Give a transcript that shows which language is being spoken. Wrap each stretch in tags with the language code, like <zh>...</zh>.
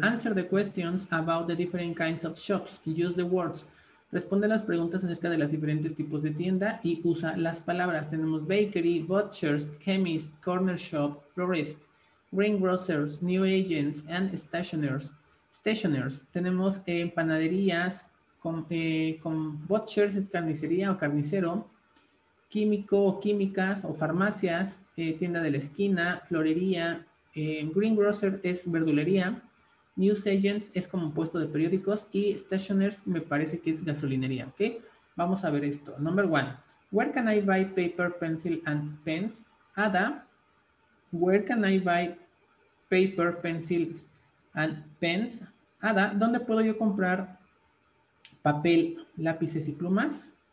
<en>Answer the questions about the different kinds of shops. Use the words.</en> <es>Responde las preguntas acerca de los diferentes tipos de tienda y usa las palabras. Tenemos bakery, butchers, chemist, corner shop, florist, greengrocers, new agents, and stationers. Tenemos panaderías, con butchers, es carnicería o carnicero, químico o químicas o farmacias, tienda de la esquina, florería, greengrocer es verdulería, news agents es como un puesto de periódicos y stationers me parece que es gasolinería, ¿ok? Vamos a ver esto.</es> <en>Number one, where can I buy paper, pencil and pens? Ada, where can I buy paper, pencils and pens?</en> <es>Ada, ¿dónde puedo yo comprar papel, lápices y plumas?</es>